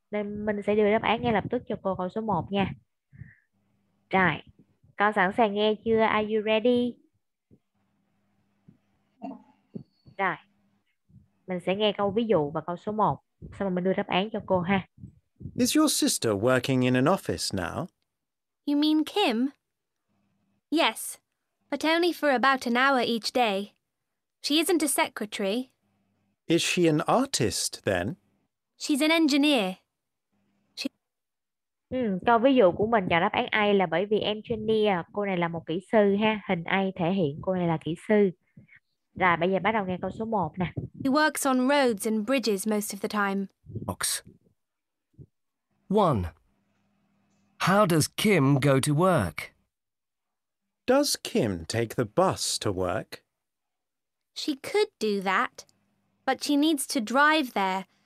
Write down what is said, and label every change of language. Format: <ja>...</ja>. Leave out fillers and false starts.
<vi>Nên mình sẽ đưa đáp án ngay lập tức cho cô câu số 1 nha. Rồi, con sẵn sàng nghe chưa?</vi> <en>Are you ready?</en> <vi>Rồi, mình sẽ nghe câu ví dụ và câu số 1. Xong rồi mình đưa đáp án cho cô ha.</vi> <en>Is your sister working in an office now? You mean Kim? Yes, but only for about an hour each day. She isn't a secretary. Is she an artist then? She's an engineer. She...</en> <vi>Câu ví dụ của mình chọn đáp án A là bởi vì engineer, cô này là một kỹ sư ha. Hình A thể hiện cô này là kỹ sư. Rồi bây giờ bắt đầu nghe câu số 1 nè.</vi> <en>He works on roads and bridges most of the time. 1. How does Kim go to work? Does Kim take the bus to work? She could do that, but she needs to drive there</en>